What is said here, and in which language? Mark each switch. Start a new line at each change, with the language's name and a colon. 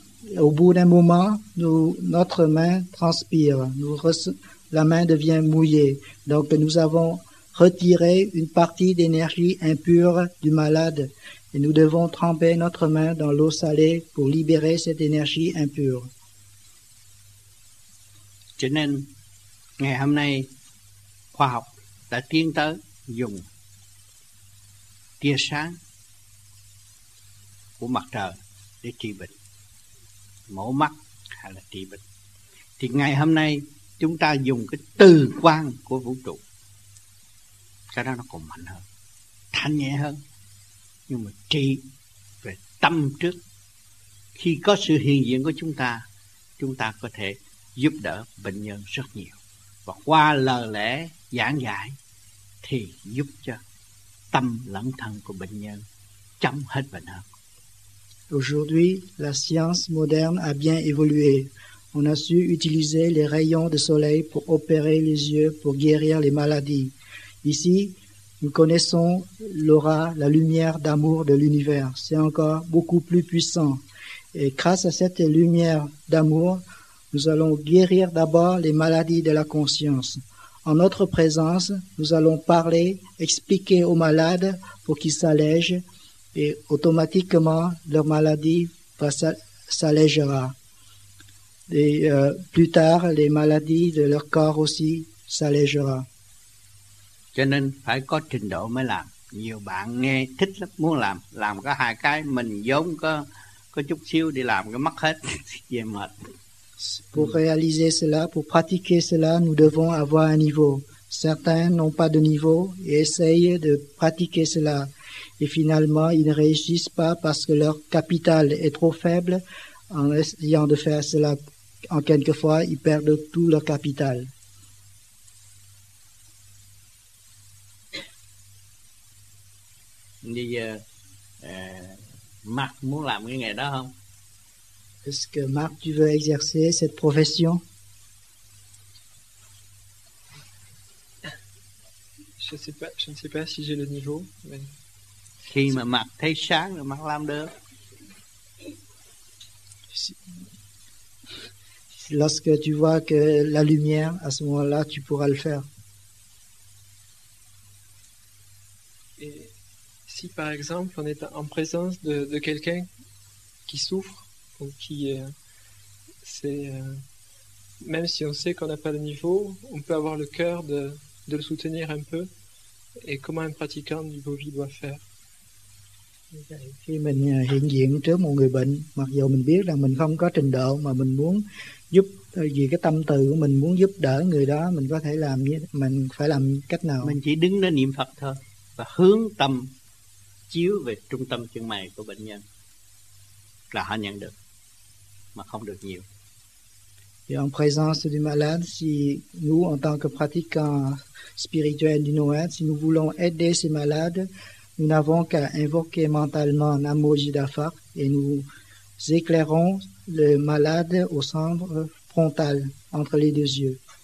French: Et au bout d'un moment, notre main transpire, la main devient mouillée. Donc nous avons retiré une partie d'énergie impure du malade et nous devons tremper notre main dans l'eau salée pour libérer cette énergie impure.
Vietnamese: Cho nên ngày hôm nay khoa học đã tiến tới dùng tia sáng của mặt trời để trị bệnh mổ mắt hay là trị bệnh. Thì ngày hôm nay chúng ta dùng cái từ quang của vũ trụ, cái đó nó còn mạnh hơn, thanh nhẹ hơn, nhưng mà trị về tâm trước. Khi có sự hiện diện của chúng ta có thể giúp đỡ bệnh nhân rất nhiều. Và qua lời lẽ giảng giải thì giúp cho tâm lẫn thân của bệnh nhân chấm hết bệnh hơn.
French: Aujourd'hui, la science moderne a bien évolué. On a su utiliser les rayons de soleil pour opérer les yeux, pour guérir les maladies. Ici, nous connaissons l'aura, la lumière d'amour de l'univers. C'est encore beaucoup plus puissant. Et grâce à cette lumière d'amour, nous allons guérir d'abord les maladies de la conscience. En notre présence, nous allons parler, expliquer aux malades pour qu'ils s'allègent et automatiquement leur maladie s'allégera. Et plus tard, les maladies de leur corps aussi s'allégera.
Vietnamese: Cho nên phải có trình độ mới làm. Nhiều bạn nghe thích lắm, muốn làm. Làm có hai cái, mình giống có chút xíu đi làm cái mất hết, về mệt.
French: Pour réaliser cela, pour pratiquer cela, nous devons avoir un niveau. Certains n'ont pas de niveau et essayent de pratiquer cela. Et finalement, ils ne réussissent pas parce que leur capital est trop faible. En essayant de faire cela en quelques fois, ils perdent tout leur capital.
Vietnamese: Bây giờ Marc muốn làm cái nghề đó không?
French: Est-ce que Marc, tu veux exercer cette profession? Je ne sais pas si j'ai le niveau, mais
Vietnamese: Khi mà mặt thấy sáng rồi mặt làm được.
French: Lorsque tu vois que la lumière, à ce moment-là, tu pourras le faire. Et si, par exemple, on est en présence de quelqu'un qui souffre, ou qui même si on sait qu'on n'a pas de niveau, on peut avoir le cœur de le soutenir un peu. Et comment un pratiquant du Bovi doit faire?
Vietnamese: Khi mình hiện diện trước một người bệnh, mặc dù mình biết rằng mình không có trình độ mà mình muốn giúp, vì cái tâm từ của mình muốn giúp đỡ người đó, mình có thể làm như, mình phải làm cách nào? Mình chỉ đứng đó niệm Phật thôi và hướng tâm chiếu về trung tâm chân mày của bệnh nhân là họ nhận được, mà không được nhiều.
French: Et en présence du malade, si nous, en tant que pratiquants spirituels du Noël, si nous voulons aider ces malades, nous n'avons qu'à invoquer mentalement Namo Jidafa et nous éclairons le malade au centre frontal, entre les deux yeux.